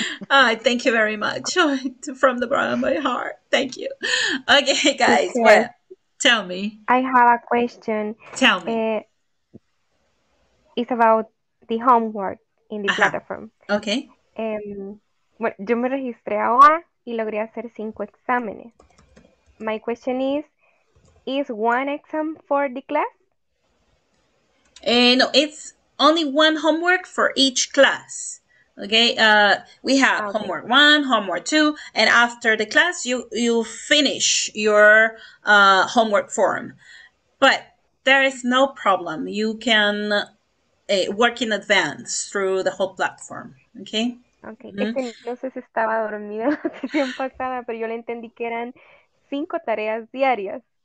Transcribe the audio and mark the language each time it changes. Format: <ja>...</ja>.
<en>Oh, thank you very much. Oh, from the bottom of my heart. Thank you. Okay, guys, well, tell me. I have a question. Tell me. It's about the homework in the platform. Okay.</en> <es>Bueno, yo me registré ahora y logré hacer 5 exámenes.</es> <en>My question is one exam for the class? No, it's only one homework for each class. Okay, we have homework one, homework two, and after the class, you finish your homework form. But there is no problem. You can work in advance through the whole platform, okay?</en> <es>Okay, no sé si estaba dormida la sesión pasada, pero yo le entendí que eran 5 tareas diarias.</es>